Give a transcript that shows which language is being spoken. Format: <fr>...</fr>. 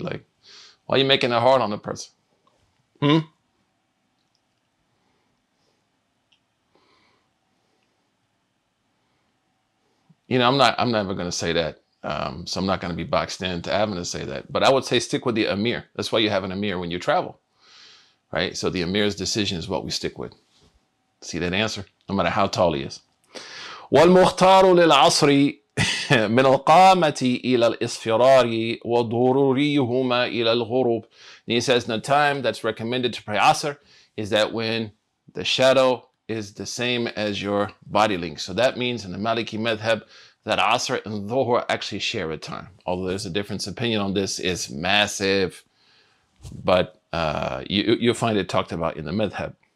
<en>Like, why are you making it hard on the person? You know, I'm never going to say that. So I'm not going to be boxed into having to say that. But I would say stick with the Amir. That's why you have an Amir when you travel, right? So the Amir's decision is what we stick with. See that answer? No matter how tall he is.</en> <ar>والمختار للعصر من القامة إلى الإصفرار وضروريهما إلى الغروب.</ar> <en>And he says the time that's recommended to pray Asr is that when the shadow is the same as your body length. So that means in the Maliki Madhab that Asr and Dhuhr actually share a time. Although there's a difference of opinion on this, is massive, but you'll find it talked about in the Madhab.</en>